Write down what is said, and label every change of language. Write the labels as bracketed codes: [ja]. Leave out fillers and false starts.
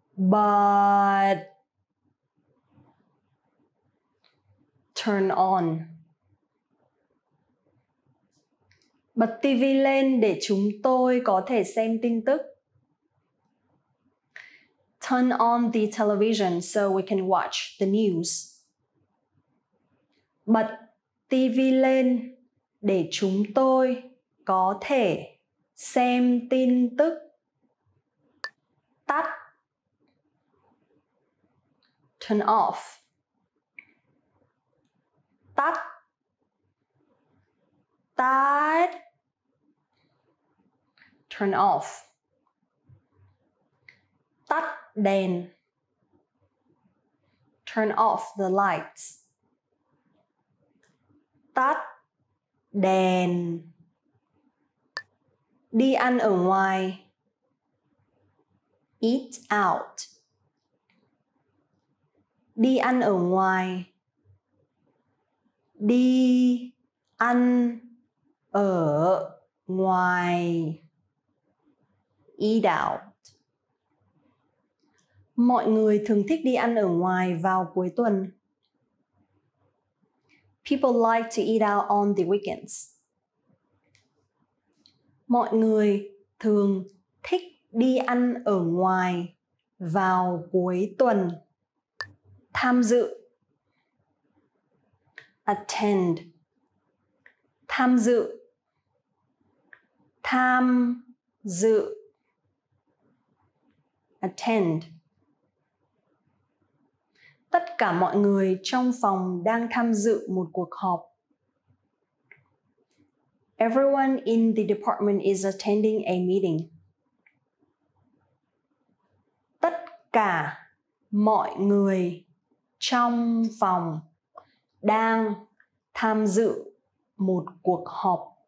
[vi] Bật. [en] Turn on. [vi] Bật TV lên để chúng tôi có thể xem tin tức. [en] Turn on the television so we can watch the news. [vi] Bật TV lên để chúng tôi có thể xem tin tức. Tắt. [en] Turn off. [vi] Tắt. Tắt. [en] Turn off. [vi] Tắt đèn. [en] Turn off the lights. [vi] Tắt đèn. Đi ăn ở ngoài. [en] Eat out. [vi] Đi ăn ở ngoài. Đi ăn ở ngoài. [en] Eat out. [vi] Mọi người thường thích đi ăn ở ngoài vào cuối tuần. [en] People like to eat out on the weekends. [vi] Mọi người thường thích đi ăn ở ngoài vào cuối tuần. Tham dự. [en] Attend. [vi] Tham dự. Tham dự. [en] Attend. [vi] Tất cả mọi người trong phòng đang tham dự một cuộc họp. [en] Everyone in the department is attending a meeting. [vi] Tất cả mọi người trong phòng đang tham dự một cuộc họp.